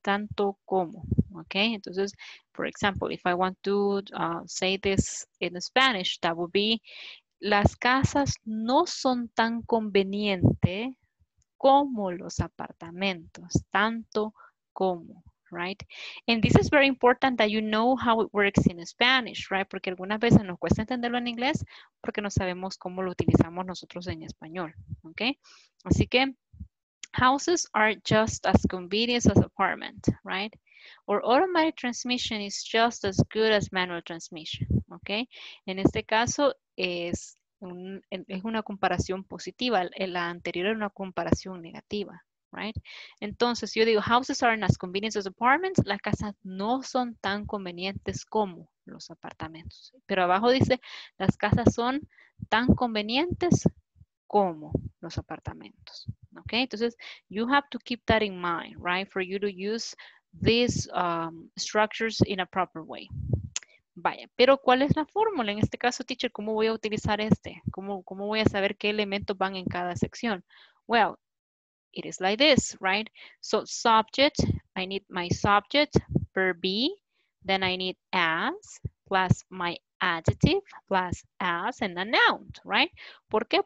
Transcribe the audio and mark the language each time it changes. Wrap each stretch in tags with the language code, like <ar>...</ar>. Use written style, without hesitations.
<es>Tanto como, okay? Entonces,</es> <en>for example, if I want to say this in Spanish, that would be,</en> <es>las casas no son tan conveniente como los apartamentos, tanto como, right?</es> <en>And this is very important that you know how it works in Spanish, right?</en> <es>Porque algunas veces nos cuesta entenderlo en inglés porque no sabemos cómo lo utilizamos nosotros en español, okay? Así que,</es> <en>houses are just as convenient as apartment, right? Or automatic transmission is just as good as manual transmission, okay?</en> <es>En este caso, es una comparación positiva. La anterior era una comparación negativa, right? Entonces, yo digo,</es> <en>houses aren't as convenient as apartments.</en> <es>Las casas no son tan convenientes como los apartamentos. Pero abajo dice, las casas son tan convenientes como los apartamentos, okay?</es> <en>Entonces, you have to keep that in mind, right? For you to use these structures in a proper way.</en> <es>Vaya, pero ¿cuál es la fórmula? En este caso, teacher, ¿cómo voy a utilizar este? ¿Cómo voy a saber qué elementos van en cada sección?</es> <en>Well, it is like this, right? So, subject, I need my subject, verb be, then I need as, plus my adjective, plus as, and a noun, right?</en> <es>¿Por qué?</es>